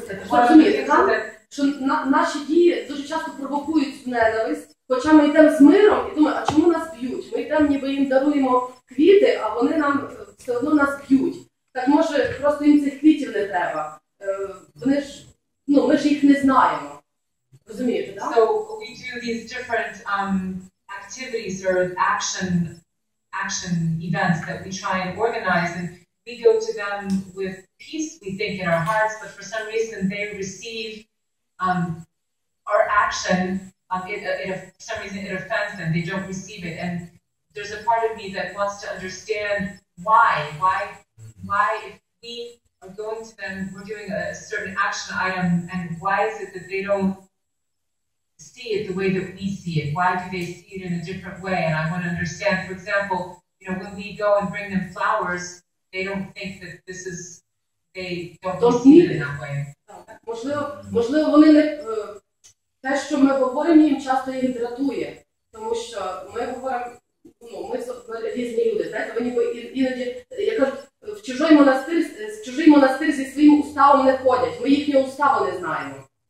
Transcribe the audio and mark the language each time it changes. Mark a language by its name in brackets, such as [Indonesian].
[Ukrainian] Розумієте, так? Що наші дії дуже часто провокують ненависть, хоча ми йдемо з миром і думаємо, а чому нас б'ють? Ми йдемо, ніби їм даруємо квіти, а вони нам все одно нас б'ють. Так може, просто їм цих квітів не треба. Вони ж, ну, ми ж їх не знаємо. Розумієте, так? [English] So, we do these different activities or action events that we try and organize, and we go to them with peace, we think, in our hearts, but for some reason they receive our action, for some reason it offends them, they don't receive it, and there's a part of me that wants to understand why if we are going to them, we're doing a certain action item, and why is it that they don't see it the way that we see it? Why do they see it in a different way? And I want to understand, for example, you know, when we go and bring them flowers, they don't think that this is, they don't see it in that way. [Ukrainian] Можливо, вони не, те, що ми говоримо їм, часто їх дратує. Тому що ми говоримо, ну, ми різні люди, знаєте, вони іноді, в чужий монастир зі своїм уставом не ходять. Ми їхні устави не знаємо.